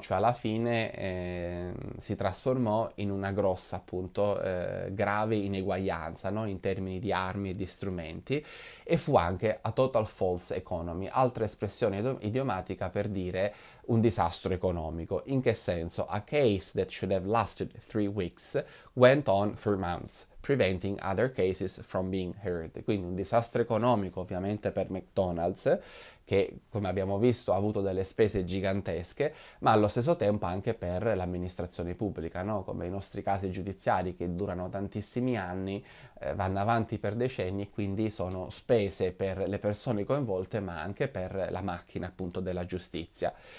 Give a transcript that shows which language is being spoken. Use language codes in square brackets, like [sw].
[it] Cioè alla fine si trasformò in una grossa, appunto, grave ineguaglianza, no? In termini di armi e di strumenti, e fu anche [en] a total false economy, [it] altra espressione idiomatica per dire un disastro economico. In che senso? [en] A case that should have lasted 3 weeks went on for months, preventing other cases from being heard. [it] Quindi un disastro economico ovviamente per McDonald's, che come abbiamo visto ha avuto delle spese gigantesche, ma allo stesso tempo anche per l'amministrazione pubblica, no? Come i nostri casi giudiziari che durano tantissimi anni, vanno avanti per decenni e quindi sono spese per le persone coinvolte, ma anche per la macchina appunto della giustizia.